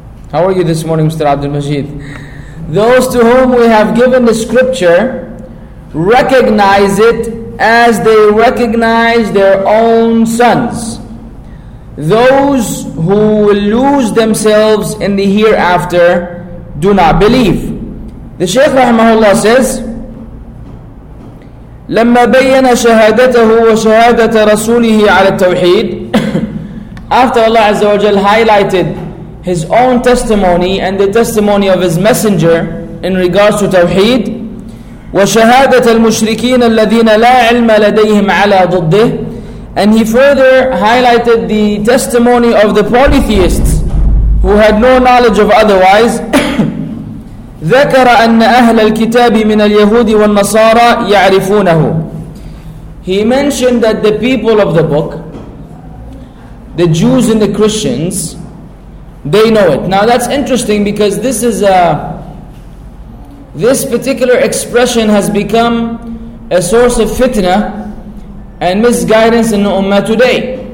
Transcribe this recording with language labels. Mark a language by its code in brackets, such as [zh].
[en] How are you this morning, Mr. Abdul Majid? Those to whom we have given the scripture recognize it as they recognize their own sons. Those who will lose themselves in the hereafter do not believe. The Shaykh rahimahullah says, [ar] لما بين شهادته وشهادة رسوله على التوحيد. [en] After Allah Azza wa Jal highlighted His own testimony and the testimony of His Messenger in regards to Tawheed, [ar] وشهادة المشركين الذين لا علم لديهم على ضده. [en] And He further highlighted the testimony of the polytheists who had no knowledge of otherwise. [ar] ذكر أن أهل الكتاب من اليهود والنصارى يعرفونه. [en] He mentioned that the people of the book, the Jews and the Christians, they know it. Now that's interesting because this is a this particular expression has become a source of fitna and misguidance in the ummah today.